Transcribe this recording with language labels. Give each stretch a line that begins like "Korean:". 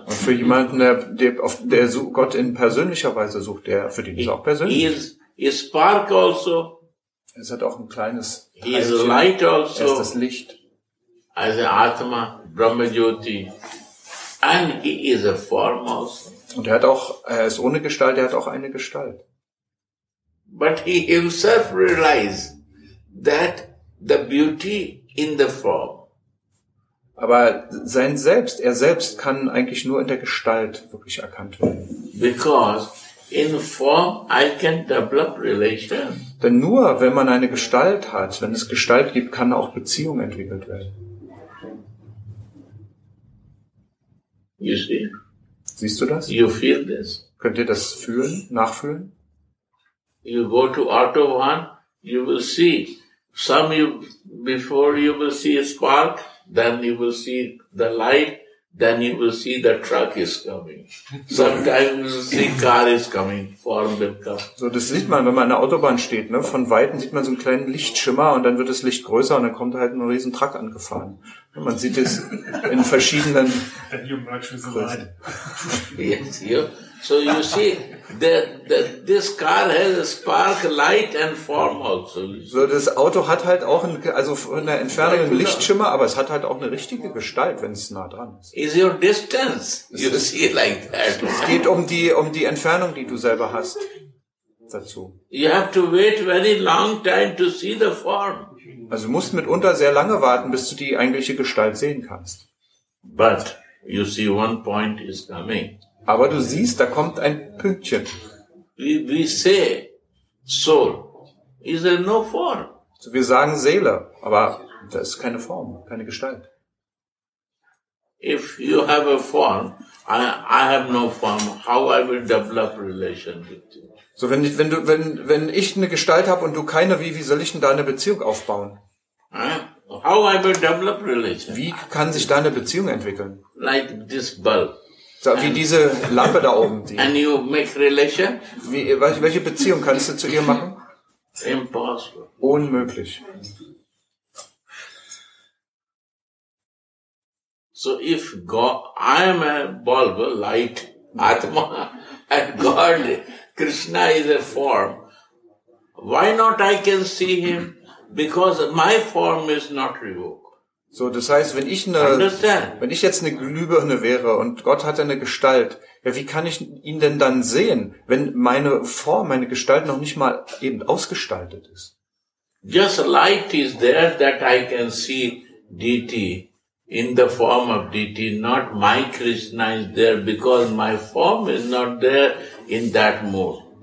German: Und für jemanden, der Gott in persönlicher Weise sucht, der für den ist auch persönlich.
English: He is spark also.
German: Es hat auch ein kleines Teilchen.
English: He is light also.
German: Er ist das Licht.
English: As a Atma, Brahmajyoti. And he is a form also.
German: Und er ist ohne Gestalt, er hat auch eine Gestalt.
English: But he himself realized that the beauty in the form.
German: Aber sein Selbst, er selbst kann eigentlich nur in der Gestalt wirklich erkannt werden.
English: Because in form I can develop relation.
German: Denn nur wenn man eine Gestalt hat, wenn es Gestalt gibt, kann auch Beziehung entwickelt werden.
English: You see?
German: Siehst du das?
English: You feel this?
German: Könnt ihr das fühlen, nachfühlen?
English: You go to Autobahn, you will see some you, before you will see a spark, then you will see the light, then you will see the truck is coming. Sometimes you will see car is coming, form will come.
German: So, das sieht man, wenn man an der Autobahn steht, ne? Von Weitem sieht man so einen kleinen Lichtschimmer und dann wird das Licht größer und dann kommt halt ein riesen Truck angefahren. Und man sieht es in verschiedenen.
English: Then you merge with the light. Yes, you. So you see, that this car has a spark, light and form also.
German: So das Auto hat halt auch ein, also von der Entfernung einen Lichtschimmer, aber es hat halt auch eine richtige Gestalt, wenn es nah dran ist.
English: Is your distance? You see like that.
German: Es geht um die Entfernung, die du selber hast dazu.
English: You have to wait very long time to see the form.
German: Also du musst mitunter sehr lange warten, bis du die eigentliche Gestalt sehen kannst.
English: But you see one point is coming.
German: Aber du siehst, da kommt ein Pünktchen.
English: We say, soul is there no form.
German: So, wir sagen Seele, aber da ist keine Form, keine Gestalt.
English: If you have a form, I have no form. How I will develop relation with you?
German: So, wenn ich eine Gestalt habe und du keine, wie soll ich denn da eine Beziehung aufbauen?
English: How I will develop relation?
German: Wie kann sich da eine Beziehung entwickeln?
English: Like this bulb.
German: So, wie diese Lampe da oben.
English: And you make relation?
German: Welche Beziehung kannst du zu ihr machen?
English: Impossible.
German: Unmöglich.
English: So if God, I am a bulb, light, Atma, and God, Krishna is a form, why not I can see him? Because my form is not revoked.
German: So, das heißt, wenn ich jetzt eine Glühbirne wäre und Gott hat eine Gestalt, ja, wie kann ich ihn denn dann sehen, wenn meine Form, meine Gestalt noch nicht mal eben ausgestaltet ist?
English: Just light is there that I can see deity in the form of deity, not my Krishna is there because my form is not there in that mode.